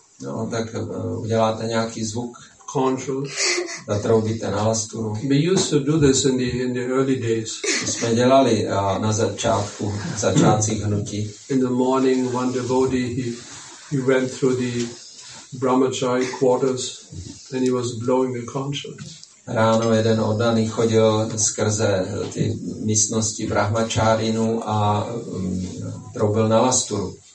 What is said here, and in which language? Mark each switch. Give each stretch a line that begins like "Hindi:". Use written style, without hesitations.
Czech: No, tak uděláte nějaký zvuk.
English: Control.
Czech: Zatroubíte na lasturu.
English: We used to do this in the early days.
Czech: Jsme dělali na začátcích hnutí.
English: In the morning, one devotee he went through the brahmachari quarters and he was blowing the conchal.
Czech: Ráno jeden oddaný chodil skrze ty místnosti brahmačárinu a troubil na lasturu.